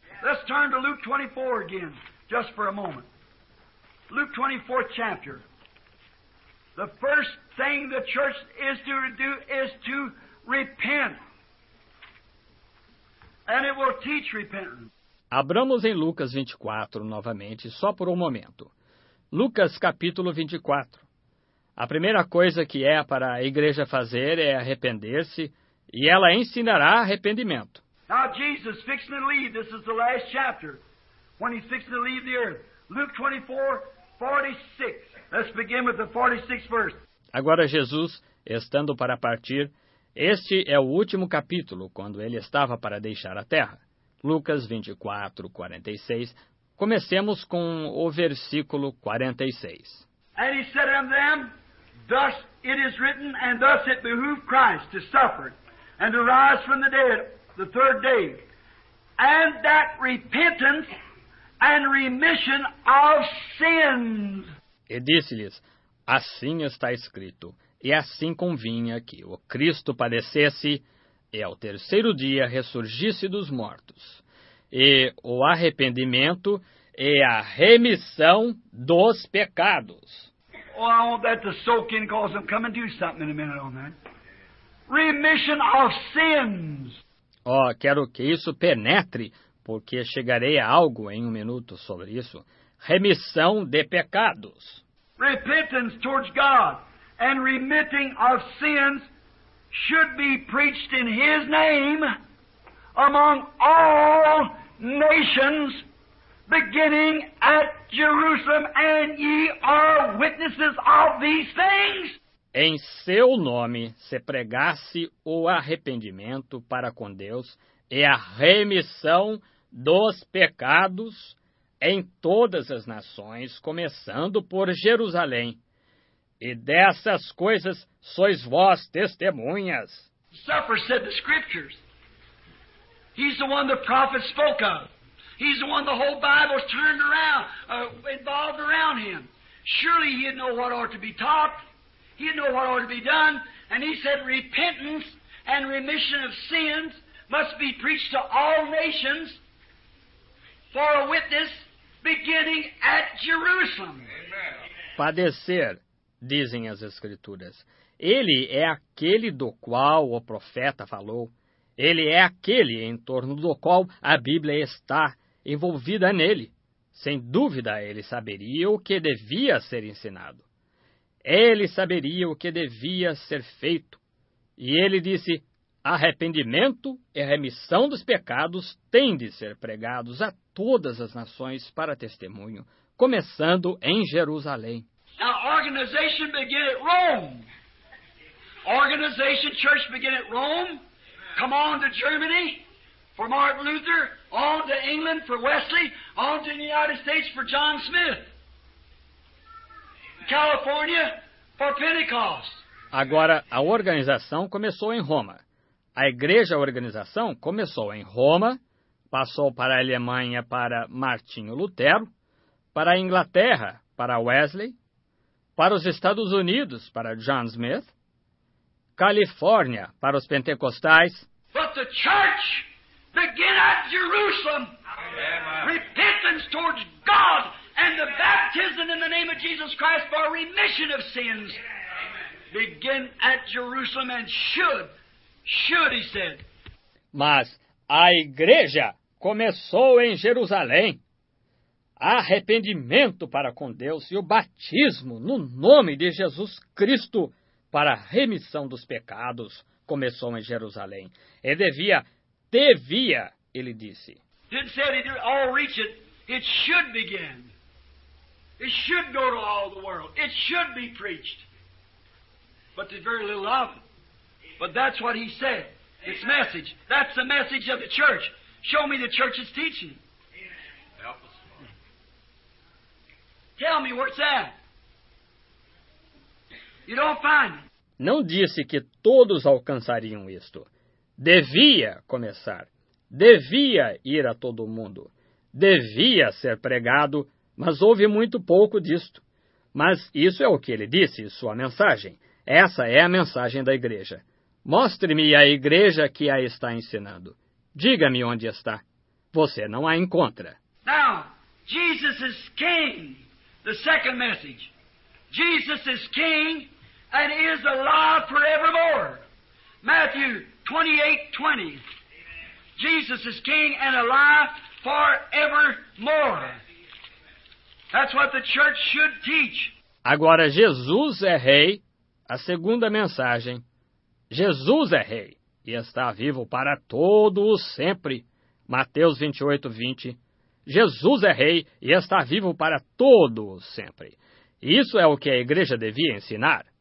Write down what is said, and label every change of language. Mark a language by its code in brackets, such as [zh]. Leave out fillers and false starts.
[en] Let's turn to Luke 24 again, just for a moment. Luke 24, chapter. The first thing the church is to do is to repent. And it will teach repentance. [pt] Abramos em Lucas 24 novamente, só por um momento. Lucas capítulo 24. A primeira coisa que é para a igreja fazer é arrepender-se, e ela ensinará arrependimento. [en] Now Jesus fixing to leave, this is the last chapter, when he's fixing to leave the earth. Luke 24:46. Let's begin with the 46th verse. [pt] Agora Jesus, estando para partir, este é o último capítulo, quando ele estava para deixar a terra. Lucas 24:46. Comecemos com o versículo 46. [en] And he said unto them, thus it is written, and thus it behooved Christ to suffer, and to rise from the dead the third day, and that repentance and remission of sins. [pt] E disse-lhes, assim está escrito, e assim convinha que o Cristo padecesse, e ao terceiro dia ressurgisse dos mortos, e o arrependimento e a remissão dos pecados. [en] Oh, I want that to soak in, cause I'm coming to do something in a minute on that. Remission of sins. [pt] Oh, quero que isso penetre, porque chegarei a algo em um minuto sobre isso. Remissão de pecados. [en] Repentance towards God and remitting of sins should be preached in His name among all nations, beginning at Jerusalem, and ye are witnesses of these things. [pt] Em seu nome se pregasse o arrependimento para com Deus e a remissão dos pecados em todas as nações, começando por Jerusalém. E dessas coisas sois vós testemunhas. [en] Suffer, said the Scriptures. He's the one the prophets spoke of. He's the one the whole Bible is turned around, involved around him. Surely he'd know what ought to be taught. He'd know what ought to be done. And he said repentance and remission of sins must be preached to all nations for a witness beginning at Jerusalem. Amen. [pt] Padecer, dizem as Escrituras. Ele é aquele do qual o profeta falou. Ele é aquele em torno do qual a Bíblia está envolvida nele. Sem dúvida, ele saberia o que devia ser ensinado. Ele saberia o que devia ser feito. E ele disse, arrependimento e remissão dos pecados têm de ser pregados a todas as nações para testemunho, começando em Jerusalém. A organização [en] begin at Rome. Organization, church begin at Rome. Come on to Germany for Martin Luther, on to England for Wesley, on to the United States for John Smith, California for Pentecost. [pt] Agora, a organização começou em Roma. A igreja organização começou em Roma, passou para a Alemanha para Martinho Lutero, para a Inglaterra para Wesley, para os Estados Unidos para John Smith, Califórnia para os pentecostais. [en] But the church begin at Jerusalem. Amen. Repentance towards God and the baptism in the name of Jesus Christ for remission of sins. Amen. Begin at Jerusalem and should, he said. [pt] Mas a igreja começou em Jerusalém. Arrependimento para com Deus e o batismo no nome de Jesus Cristo para remissão dos pecados. Começou em Jerusalém. E devia, ele disse. [en] Didn't say it all reach it. It should begin. It should go to all the world. It should be preached. But there's very little of it. But that's what he said. It's message. That's the message of the church. Show me the church's teaching. Help us. Tell me what's that. You don't find it. [pt] Não disse que todos alcançariam isto. Devia começar. Devia ir a todo mundo. Devia ser pregado, mas houve muito pouco disto. Mas isso é o que ele disse, sua mensagem. Essa é a mensagem da igreja. Mostre-me a igreja que a está ensinando. Diga-me onde está. Você não a encontra. [en] Now, Jesus is King, the second message. Jesus is King and is alive forevermore. Matthew 28:20. Jesus is King and alive forevermore. That's what the church should teach. [pt] Agora, Jesus é rei. A segunda mensagem. Jesus é rei e está vivo para todo o sempre. Mateus 28:20. Jesus é rei e está vivo para todo o sempre. Isso é o que a igreja devia ensinar.